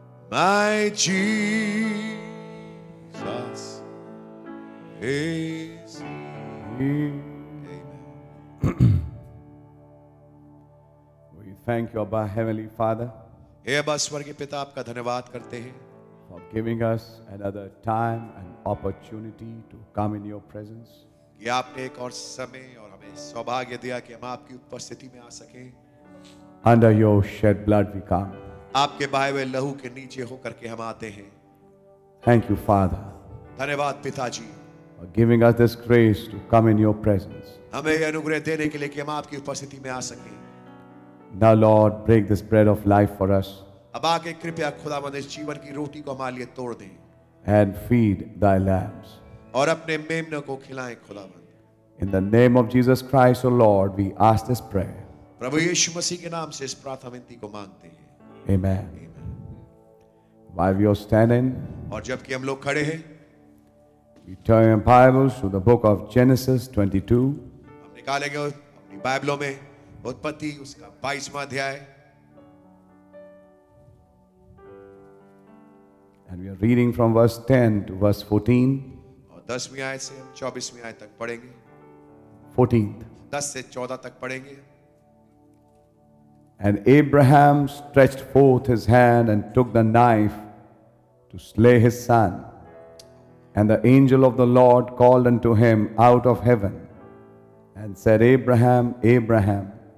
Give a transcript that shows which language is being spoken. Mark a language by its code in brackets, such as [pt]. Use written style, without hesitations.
[en] My Jesus is here. Amen. We thank you, Abba, Heavenly Father. [hi] Hey, Abba, Swargi Pita, aapka dhanyavaad karte hain. [en] for giving us another time and opportunity to come in your presence. [hi] ये आपने एक और समय और हमें सौभाग्य दिया कि हम आपकी उपस्थिति में आ सके. [en] Under your shed blood we come. [hi] आपके बहाए हुए लहू के नीचे होकर के हम आते हैं. [en] Thank you Father. [hi] धन्यवाद पिताजी. [en] For giving us this grace to come in your presence. [hi] हमें यह अनुग्रह देने के लिए कि हम आपकी उपस्थिति में आ सके. [en] Now Lord break this bread of life for us. [hi] अब आके कृपया खुदावंद इस जीवन की रोटी को हमारे लिए तोड़ दें. [en] And feed thy lambs. [hi] और अपने मेमनों को खिलाएं खुदावंद. [en] In the name of Jesus Christ, O Lord, we ask this prayer. [hi] प्रभु यीशु मसीह के नाम से इस प्रार्थना विनती को मांगते हैं. [en] Amen. Amen. While we are standing, [hi] और जबकि हम लोग खड़े हैं, [en] we turn our Bibles to the book of Genesis 22. [hi] हम निकालेंगे अपनी बाइबलों में उत्पत्ति उसका 22वां अध्याय. [en] And we are reading from verse 10 to verse 14. [hi] और 10वीं आयत से हम 24वीं आयत तक पढ़ेंगे. [en] 14th. [hi] 10 से 14 तक पढ़ेंगे. [en] And Abraham stretched forth his hand and took the knife to slay his son. And the angel of the Lord called unto him out of heaven and said, Abraham, Abraham.